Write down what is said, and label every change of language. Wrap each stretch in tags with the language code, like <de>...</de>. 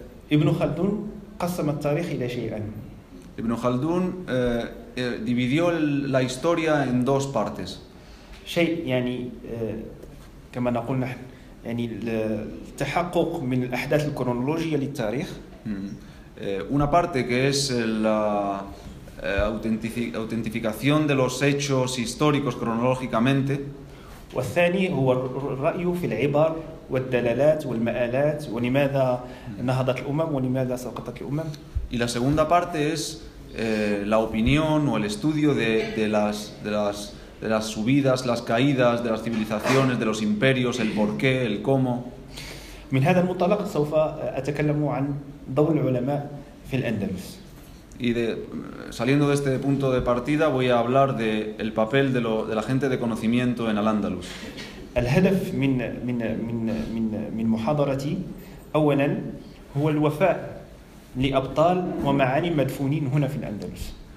<ar>Ibn Khaldun قسم التاريخ إلى شيئين.</ar> <es>Ibn Khaldun dividió la historia en dos partes.</es> <ar>شيء يعني كما نقول نحن يعني التحقق من الأحداث الكرونولوجية للتاريخ.</ar> <es>Una parte que es la autentificación de los hechos históricos cronológicamente.</es> <ar>والثاني هو الرأي في العبر والدلالات والمآلات ولماذا نهضت الأمم ولماذا سقطت الأمم.</ar> <es>Y la segunda parte es la opinión o el estudio de las subidas, las caídas de las civilizaciones, de los imperios, el porqué, el cómo.</es> <ar>من هذا المطلق سوف أتكلم عن دور العلماء في الأندلس.</ar> <es>Y saliendo de este punto de partida voy a hablar del papel de la gente de conocimiento en Al-Andalus.</es> <ar>El هدف من محاضرتي اولا هو الوفاء لابطال ومعالم مدفونين هنا في الاندلس.</ar>